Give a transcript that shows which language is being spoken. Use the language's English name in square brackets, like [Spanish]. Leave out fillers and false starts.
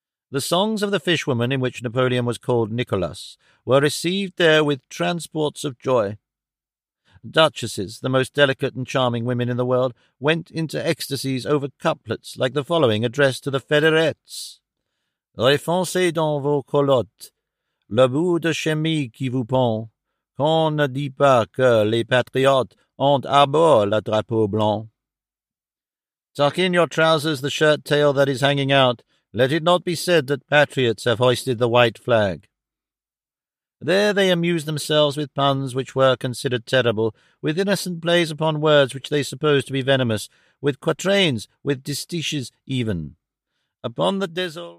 [English] The songs of the fishwoman, in which Napoleon was called Nicholas, were received there with transports of joy. Duchesses, the most delicate and charming women in the world, went into ecstasies over couplets like the following addressed to the Federettes. [French] Réfoncez dans vos colottes, le bout de chemise qui vous pend, qu'on ne dit pas que les patriotes ont à bord le drapeau blanc. [English] Tuck in your trousers the shirt tail that is hanging out, let it not be said that patriots have hoisted the white flag. There they amused themselves with puns which were considered terrible, with innocent plays upon words which they supposed to be venomous, with quatrains, with distiches even. Upon the desol